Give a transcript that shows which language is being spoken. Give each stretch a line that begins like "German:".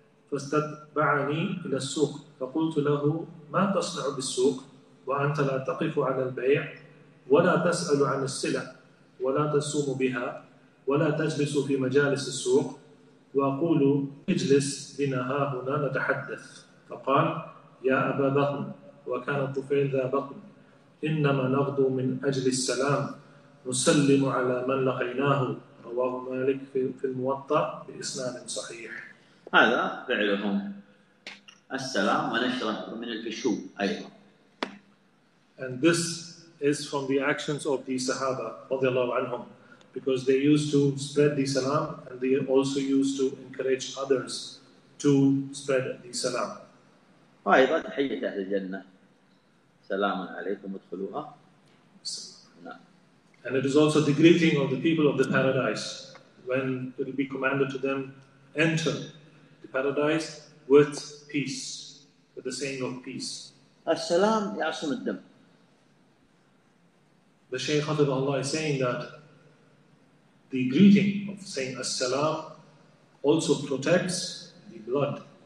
Arabic: فاستتبعني إلى السوق فقلت له ما تصنع بالسوق وأنت لا تقف على البيع ولا تسأل عن السلع ولا تصوم بها ولا تجلس في مجالس السوق وأقول اجلس بنا ها هنا نتحدث فقال يا أبا بطن وكان الطفيل ذا بطن إنما نغدو من أجل السلام نسلم على من لقيناه رواه مالك في الموطأ بإسناد صحيح هذا فعلهم السلام ونشره من الفشو أيضا.
English: And this is from the actions of the Sahaba radiallahu anhum, because they used to spread the salam and they also used to encourage others to spread the salam.
Arabic: أيضا تحية أهل الجنة سلام عليكم ادخلوها.
English: And it is also the greeting of the people of the paradise when it will be commanded to them enter the paradise with peace, with the saying of peace.
Arabic: السلام يعصم الدم.
English: The Shaykh Khatib Allah is saying that the greeting of saying As-Salam also protects the blood.